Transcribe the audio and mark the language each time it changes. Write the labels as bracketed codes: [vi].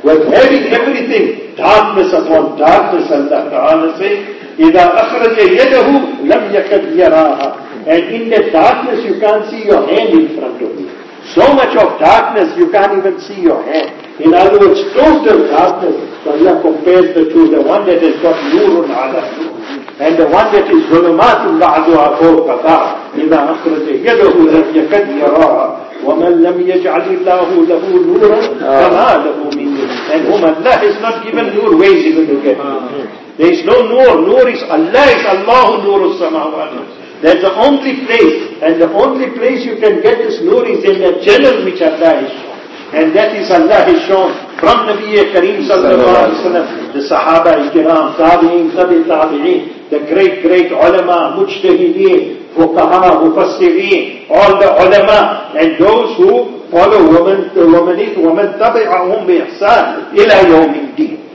[en] We're having everything, darkness upon darkness, Allah Ta'ala says, [ar] إِذَا أَخْرَجَ يَدَهُ لَمْ يَكَدْ يَرَاهَا. [en] And in the darkness you can't see your hand in front of you. So much of darkness you can't even see your hand. In other words, total darkness. So Allah compares the two, the one that has got nurun ala and the one that is [ar] ظُلُمَاتٌ بَعْضُهَا فَوْقَ بَعْضٍ إِذَا أَخْرَجَ يَدَهُ لَمْ يَكَدْ يَرَاهَا وَمَنْ لَمْ يَجْعَلِ اللَّهُ لَهُ نُورًا فَمَا لَهُ مِنْ نُورٍ. [en] And whom Allah has not given nur, where is he going to get nur? There is no nur. Nur is Allah, is Allahu nuru samawati. That's the only place, and the only place you can get this nur is in the channel which Allah has shown. And that is Allah has shown from Nabi Kareem sallallahu alayhi wa sallam, the Sahaba ikram, tabi'in, tabi'in, tabi'in, the great, great ulama, mujtahideen, fuqaha, mufassireen, all the ulama, and those who follow woman, the womanit, woman tabi'ahum bi ihsan, ila yawmiddin.